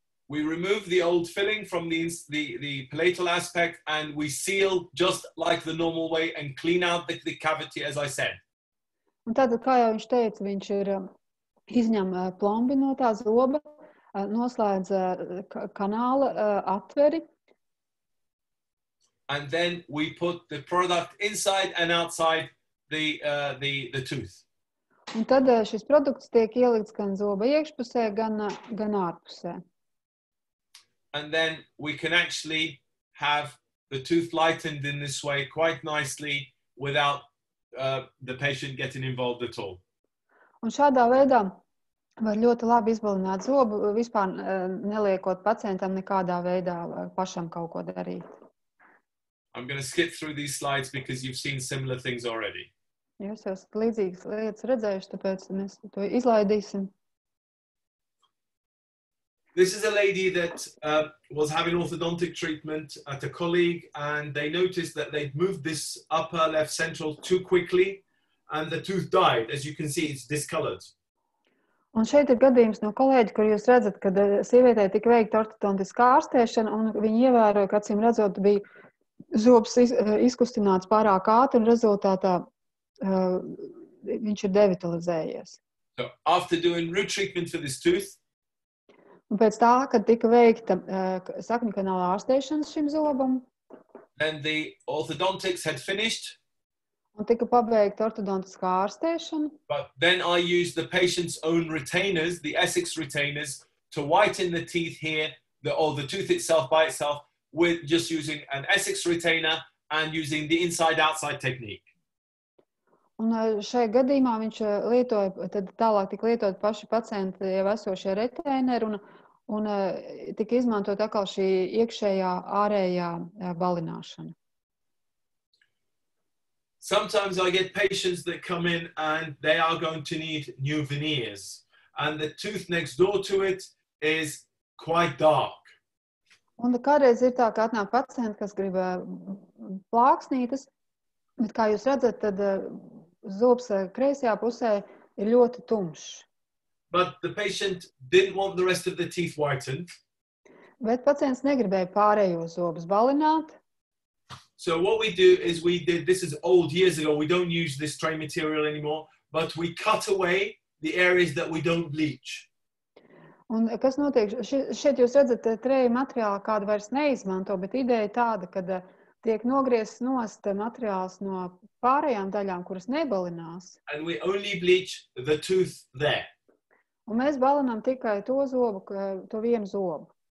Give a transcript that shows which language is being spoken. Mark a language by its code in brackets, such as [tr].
[en] We remove the old filling from the palatal aspect and we seal just like the normal way and clean out the cavity as I said. [lv] Un tātad, kā jau viņš teica, viņš ir izņem plombi no tā zoba, noslēdz kanāla atveri. [en] And then we put the product inside and outside the tooth. [lv] Un tad šis produkts tiek ielikts gan zoba iekšpusē, gan ārpusē. [en] And then we can actually have the tooth lightened in this way quite nicely without the patient getting involved at all. [lv] Un šādā veidā var ļoti labi izbalināt zobu, vispār neliekot pacientam nekādā veidā pašam kaut ko darīt. [en] I'm going to skip through these slides because you've seen similar things already. [lv] Jūs jau esat līdzīgas lietas redzējuši, tāpēc mēs to izlaidīsim. [en] This is a lady that was having orthodontic treatment at a colleague and they noticed that they'd moved this upper left central too quickly and the tooth died. As you can see, it's discolored. [lv] Un šeit ir gadījums no kolēģa, kur jūs redzat, ka sievietē tika veikta ortodontiskā ārstēšana un viņa ievēroja, ka acīm redzot, bija zobs izkustināts pārāk ātri un rezultātā viņš ir devitalizējies. [en] So after doing root treatment for this tooth, [lv] un pēc tā, kad tika veikta sakņu kanāla ārstēšanas šim zobam. [en] Then the orthodontics had finished. [lv] Un tika pabeigta ortodontiskā ārstēšana. [en] But then I used the patient's own retainers, the Essex retainers, to whiten the teeth here, the tooth itself by itself, with just using an Essex retainer and using the inside-outside technique. [lv] Un šajā gadījumā viņš lietoja, tad tālāk tika lietot paši pacienti jau esošie retaineri un tika izmantot atkal šī iekšējā ārējā balināšana. [en] Sometimes I get patients that come in and they are going to need new veneers and the tooth next door to it is quite dark. [lv] Un kādreiz ir tā, ka atnāk pacienti, kas grib plāksnītes, bet kā jūs redzat, tad zobs kreisajā pusē ir ļoti tumšs. [en] But the patient didn't want the rest of the teeth whitened. [lv] Bet pacients negribēja pārējo zobus balināt. [en] So what we do is we did, this is old years ago, we don't use this tray material anymore, but we cut away the areas that we don't bleach. [lv] Un kas notiek? Šeit jūs redzat treju materiālu, kādu vairs neizmanto, bet ideja tāda, kad tiek nogriezts nost materiāls no pārējām daļām, kuras nebalinās. [en] And we only bleach the tooth there. [lv] Un mēs balinām tikai to zobu, to vienu zobu.